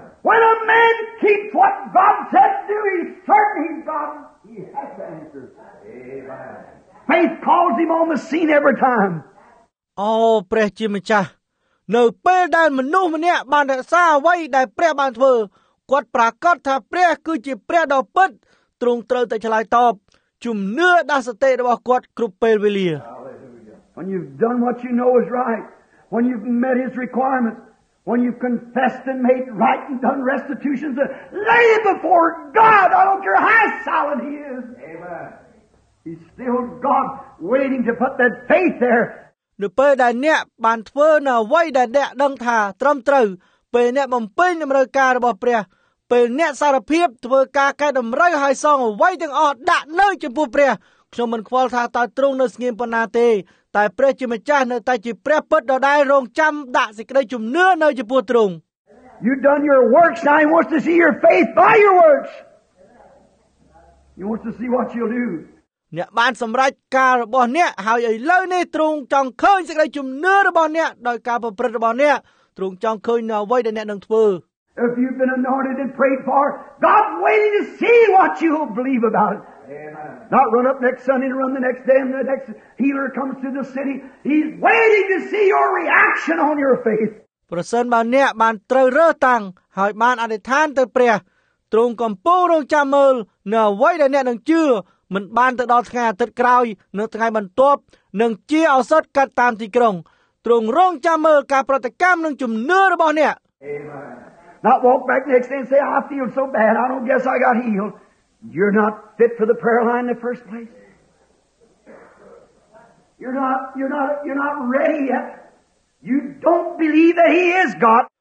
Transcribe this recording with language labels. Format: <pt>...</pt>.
<en>When a man keeps what God said to do, he's certain he's God. He has the answers. Amen. Faith calls him on the scene every time.</en> <km>Oh, ព្រះជាម្ចាស់នៅពេលដែលមនុស្សម្នាក់បានរកសារអ្វីដែលព្រះបានធ្វើគាត់ប្រកាសថាព្រះគឺជាព្រះដ៏ពិតទ្រង់ត្រូវតែឆ្លើយតបជំនឿដាសតិរបស់គាត់គ្រប់ពេលវេលា</km> <en>When you've done what you know is right, when you've met his requirements,When you've confessed and made right and done restitutions, lay it before God. I don't care how solid he is. Amen. He's still God waiting to put that faith there.</en> <km>នៅពេលដែលអ្នកបានធ្វើនៅអ្វីដែលអ្នកដឹងថាត្រឹមត្រូវពេលអ្នកបំពេញតម្រូវការរបស់ព្រះពេលអ្នកសារភាពធ្វើការកែតម្រូវហើយសងអ្វីទាំងអស់ដាក់នៅចំពោះព្រះខ្ញុំមិនខ្វល់ថាតើត្រង់នៅស្ងៀមប៉ុណ្ណាទេតែព្រះជាម្ចាស់នៅតែជាព្រះពិតដដែលរងចាំដាក់សេចក្តីជំនឿនៅចំពោះទ្រង់</km> <en>You done your works now. He wants to see your faith by your works. He wants to see what you'll do.</en> <km>អ្នកបានសម្រេចការរបស់អ្នកហើយឥឡូវនេះទ្រង់ចង់ឃើញសេចក្តីជំនឿរបស់អ្នកដោយការប្រព្រឹត្តរបស់អ្នកទ្រង់ចង់ឃើញនូវអ្វីដែលអ្នកនឹងធ្វើ</km> <en>If you've been anointed and prayed for, God waiting to see what you'll believe about it. Amen. Not run up next Sunday and run the next day and the next healer comes to the city. He's waiting to see your reaction on your faith.</en> <km>ប្រសិនបើអ្នកបានត្រូវរើសតាំងហើយបានអធិដ្ឋានទៅព្រះទ្រង់កំពុងរង់ចាំមើលនៅអ្វីដែលអ្នកនឹងជឿមិនបានទៅដល់ថ្ងៃអាទិត្យក្រោយនៅថ្ងៃបន្ទាប់នឹងជាឱសថកាត់តាមទីក្រុងទ្រង់រង់ចាំមើលការប្រតិកម្មនឹងជំនឿរបស់អ្នក</km> <en>Amen. Not walk back next day and say, I feel so bad. I don't guess I got healed. You're not fit for the prayer line in the first place. You're not ready yet. You don't believe that he is God.</en>